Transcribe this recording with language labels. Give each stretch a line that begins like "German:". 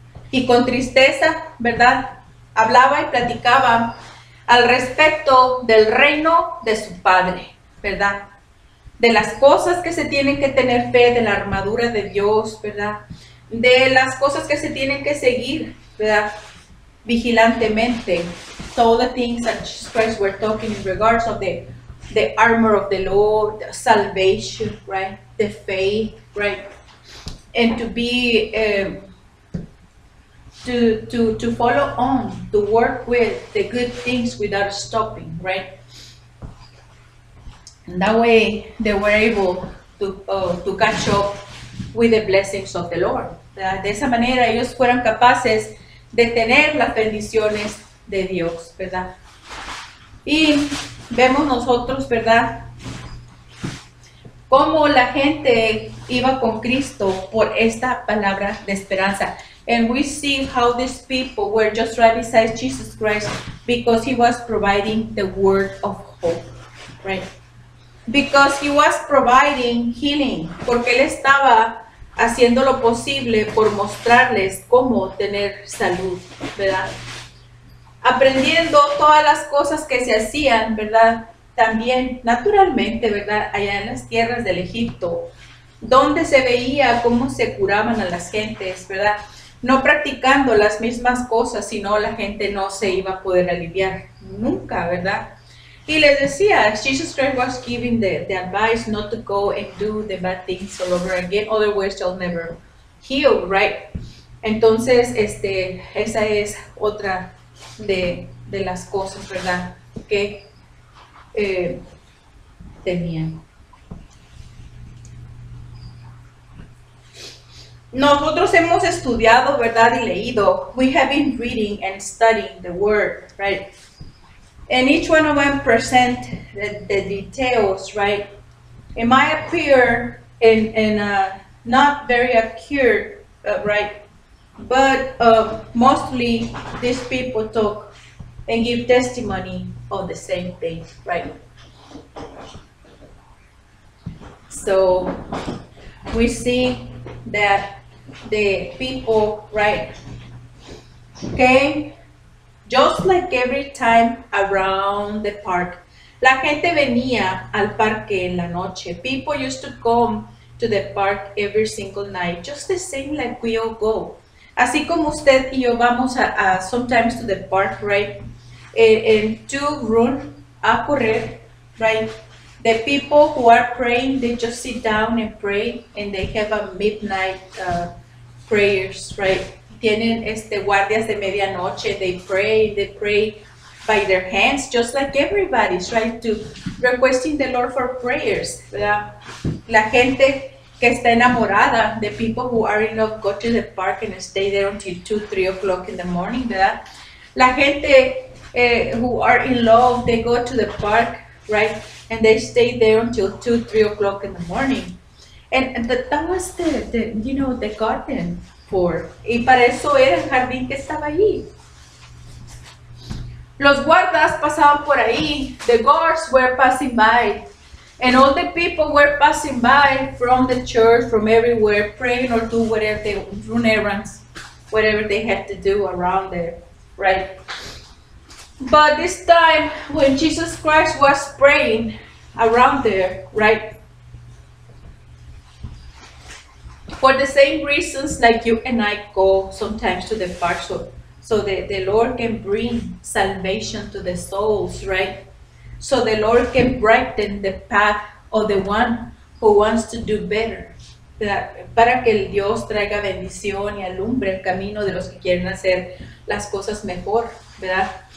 Spanish: Y con tristeza, ¿verdad?, hablaba y platicaba al respecto del reino de su Padre, ¿verdad?, de las cosas que se tienen que tener fe, de la armadura de Dios, ¿verdad?, de las cosas que se tienen que seguir, ¿verdad?, vigilantemente.
English: So all the things that Jesus Christ were talking in regards of the armor of the Lord, salvation, right? the faith, right? And to be to follow on, to work with the good things without stopping, right? And that way they were able to catch up with the blessings of the Lord.
Spanish: De esa manera ellos fueron capaces de tener las bendiciones de Dios, ¿verdad? Y vemos nosotros, ¿verdad?, cómo la gente iba con Cristo por esta palabra de esperanza.
English: And we see how these people were just right beside Jesus Christ because he was providing the word of hope, right? Because he was providing healing,
Spanish: porque él estaba haciendo lo posible por mostrarles cómo tener salud, ¿verdad? Aprendiendo todas las cosas que se hacían, ¿verdad? También, naturalmente, ¿verdad? Allá en las tierras del Egipto, donde se veía cómo se curaban a las gentes, ¿verdad? No practicando las mismas cosas, sino la gente no se iba a poder aliviar nunca, ¿verdad? Y les decía,
English: Jesus Christ was giving the advice not to go and do the bad things all over again, otherwise you'll never heal, right?
Spanish: Entonces, esa es otra de las cosas, ¿verdad?, que tenían. Nosotros hemos estudiado, ¿verdad?, y leído.
English: We have been reading and studying the word, right? And each one of them present the details, right? It might appear in not very accurate, right? But mostly these people talk and give testimony of the same thing, right? So we see that the people, right, came just like every time around the park.
Spanish: La gente venía al parque en la noche.
English: People used to come to the park every single night, just the same like we all go.
Spanish: Así como usted y yo vamos a
English: sometimes to the park, right? And to run,
Spanish: a correr,
English: right? The people who are praying, they just sit down and pray, and they have a midnight prayers, right?
Spanish: Tienen guardias de medianoche.
English: They pray by their hands, just like everybody's, right? To requesting the Lord for prayers, ¿verdad?
Spanish: La gente que está enamorada,
English: the people who are in love, go to the park and stay there until 2-3 o'clock in the morning, ¿verdad?
Spanish: La gente
English: who are in love, they go to the park, right? And they stay there until 2-3 o'clock in the morning. And that was the garden for.
Spanish: Y para eso era el jardín que estaba allí. Los guardas pasaban por ahí.
English: The guards were passing by. And all the people were passing by from the church, from everywhere, praying or do whatever they run errands, whatever they had to do around there, right? But this time, when Jesus Christ was praying around there, right? For the same reasons like you and I go sometimes to the park, so that the Lord can bring salvation to the souls, right? So the Lord can brighten the path of the one who wants to do better.
Spanish: Para que el Dios traiga bendición y alumbre el camino de los que quieren hacer las cosas mejor, ¿verdad?